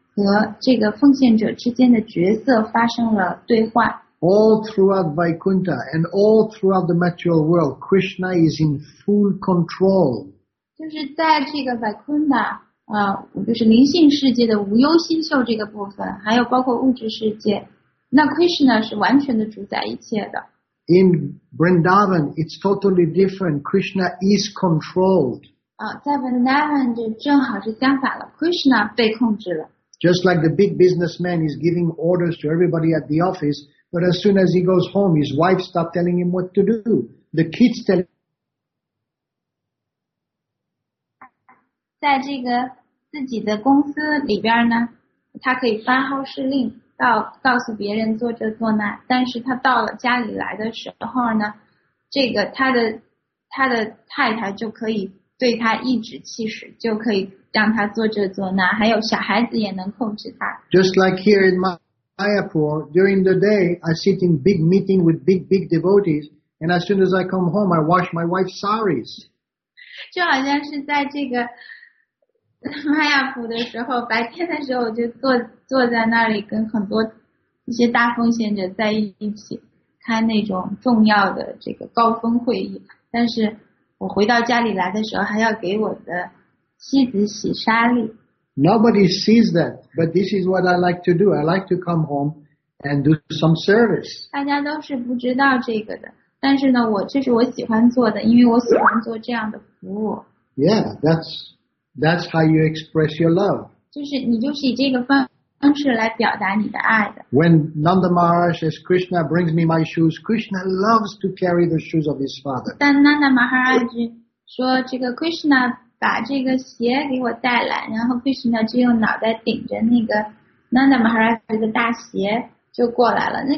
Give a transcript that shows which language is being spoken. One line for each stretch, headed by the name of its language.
Chinese: 和这个奉献者之间的角色发生了对话。
English: All throughout Vaikuntha and all throughout the material world, Krishna is in full control.
Chinese: 就是在这个 Vaikuntha， 就是灵性世界的无忧心秀这个部分，还有包括物质世界，那 Krishna 是完全的主宰一切的。
English: In Vrindavan, it's totally different. Krishna is controlled.
Chinese: 在 Vrindavan 就正好是相反了， Krishna 被控制了。
English: Just like the big businessman is giving orders to everybody at the office, but as soon as he goes home, his wife stops telling him what to do. The kids tell him.
Chinese: 在这个自己的公司里边呢，他可以发号施令，告诉别人做这做那。但是他到了家里来的时候呢，这个他的太太就可以对他颐指气使，就可以让他做这做那，还有小孩子也能控制他。
English: Just like here in Mayapur, during the day, I sit in big meeting with big devotees, and as soon as I come home, I wash my wife's saris.
Chinese: 就好像是在这个 Mayapur 的时候，白天的时候我就坐在那里跟很多一些大奉献者在一起开那种重要的这个高峰会议，但是我回到家里来的时候还要给我的妻子洗沙粒。
English: Nobody sees that, but this is what I like to do. I like to come home and do some service.
Chinese: 大家都是不知道这个的，但是呢，我这是我喜欢做的，因为我喜欢做这样的服务。
English: Yeah, that's how you express your love.
Chinese: 就是你就是以这个方式来表达你的爱的。
English: When Nanda Maharaj says, Krishna brings me my shoes, Krishna loves to carry the shoes of his father.
Chinese: 但 Nanda Maharaj 说这个 Krishna 把这个鞋给我带来，然后 Krishna 就用脑袋顶着那个 Nanda Maharaj 的大鞋就过来了。